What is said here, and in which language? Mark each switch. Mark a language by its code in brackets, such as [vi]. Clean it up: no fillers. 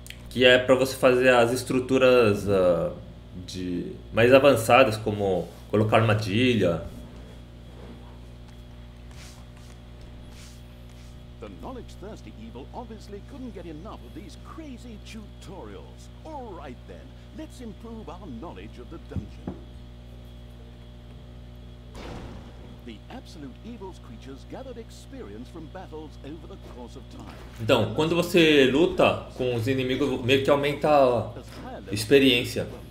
[pt] Que é para você fazer as estruturas de mais avançadas, como colocar armadilha. [en] The knowledge-thirsty evil obviously couldn't get enough of these crazy tutorials. All right then, let's improve our knowledge of the dungeon. The absolute evil's creatures gathered experience from battles over the course of time. [pt] Então, quando você luta com os inimigos, meio que aumenta a experiência.